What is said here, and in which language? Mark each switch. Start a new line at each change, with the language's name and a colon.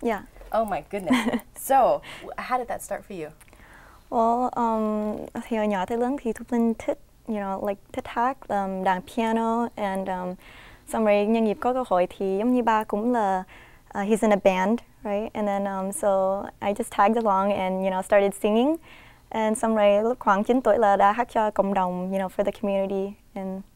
English: Yeah. Oh my goodness. So, how did that start for you? Well,
Vietnamese: thì ở nhỏ tới lớn thì Thuc Linh thích,
English: you know, like
Vietnamese: thích hát, đàn piano,
English: and
Vietnamese: xong rồi nhân dịp có cơ hội thì giống như ba cũng là
English: he's in a band, right? And then so I just tagged along and, you know, started singing. And
Vietnamese: xong rồi lúc khoảng 9 tuổi là đã hát cho cộng đồng,
English: you know, for the community and